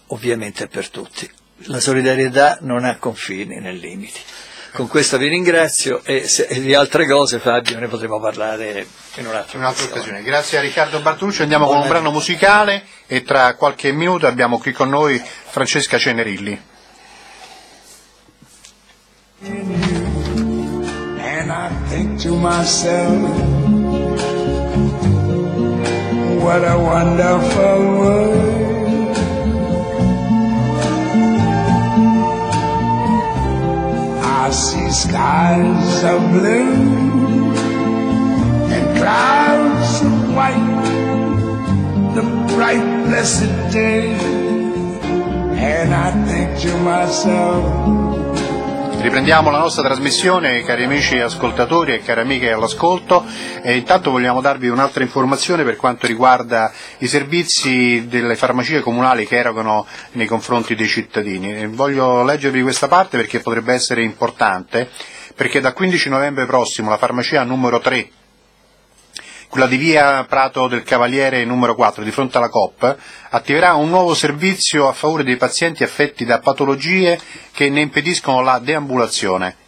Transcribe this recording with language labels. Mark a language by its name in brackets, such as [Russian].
[Italian] Ovviamente è per tutti, la solidarietà non ha confini né limiti. Con questo vi ringrazio, e se, di altre cose, Fabio, ne potremo parlare in un'altra occasione. Grazie a Riccardo Bartolucci, andiamo con un brano musicale e tra qualche minuto abbiamo qui con noi Francesca Cenerilli. [English] And I think to myself, what a wonderful world. I see skies of blue and clouds of white, the bright blessed day, and I think to myself. [Italian] Riprendiamo la nostra trasmissione, cari amici ascoltatori e cari amiche all'ascolto, e intanto vogliamo darvi un'altra informazione per quanto riguarda i servizi delle farmacie comunali che erogano nei confronti dei cittadini. Voglio leggervi questa parte perché potrebbe essere importante, perché da 15 novembre prossimo la farmacia numero 3, quella di via Prato del Cavaliere numero 4, di fronte alla COP, attiverà un nuovo servizio a favore dei pazienti affetti da patologie che ne impediscono la deambulazione.